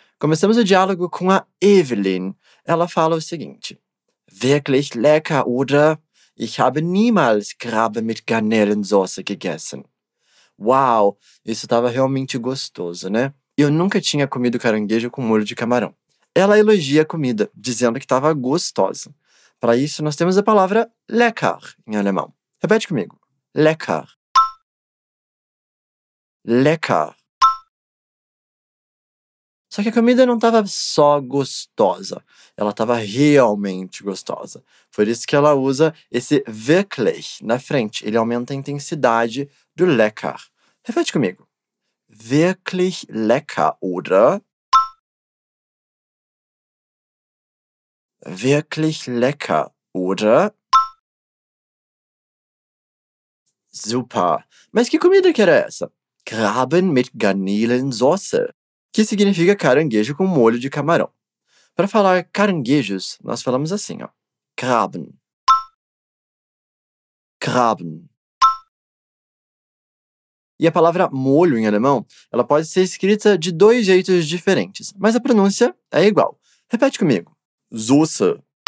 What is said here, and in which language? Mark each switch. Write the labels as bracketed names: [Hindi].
[Portuguese] Começamos o diálogo com a Evelyn. Ela fala o seguinte. [German] Wirklich lecker, oder? Ich habe niemals Krabben mit Garnelensoße gegessen. [Portuguese] Uau, isso estava realmente gostoso, né? Eu nunca tinha comido caranguejo com molho de camarão. Ela elogia a comida, dizendo que estava gostosa. Para isso, nós temos a palavra lecker em alemão. Repete comigo. Lecker. [German] Lecker. [Portuguese] Só que a comida não estava só gostosa, ela estava realmente gostosa. Por isso que ela usa esse wirklich na frente, ele aumenta a intensidade do lecker. Repete comigo. [German] Wirklich lecker, oder? Wirklich lecker, oder? [Portuguese] Super! Mas que comida que era essa? [German] Krabben mit Garnelensoße. [Portuguese] Que significa caranguejo com molho de camarão. Para falar caranguejos, nós falamos assim, ó. Krabben. [German] Krabben. [Portuguese] E a palavra molho em alemão, ela pode ser escrita de dois jeitos diferentes, mas a pronúncia é igual. Repete comigo. Soße.